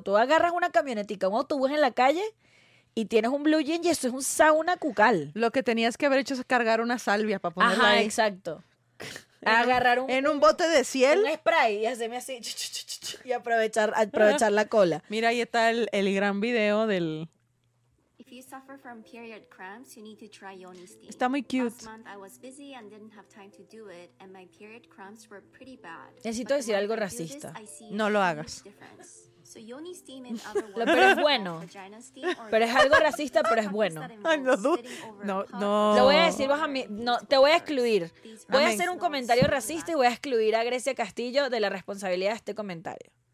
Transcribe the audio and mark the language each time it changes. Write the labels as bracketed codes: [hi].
[es] Tú agarras una camionetica, un autobús en la calle y tienes un blue jean y eso es un sauna cucal. Lo que tenías que haber hecho es cargar una salvia para ponerla, ajá, ahí. Ajá, exacto. Agarrar un bote de ciel. Un spray y hacerme así. Y aprovechar la cola. Mira, ahí está el gran video del... [en] If you suffer from period cramps, you need to try Yoni Steam. [es] Está muy cute. [en] Last month I was busy and didn't have time to do it, and my period cramps were pretty bad. [es] Necesito decir algo racista. No lo hagas. So [en] Yoni Steam in other words. [es] Pero es bueno. Pero es algo racista, pero es bueno. Ay, no. Lo voy a decir, te voy a excluir. Voy a hacer un comentario racista y voy a excluir a Grecia Castillo de la responsabilidad de este comentario.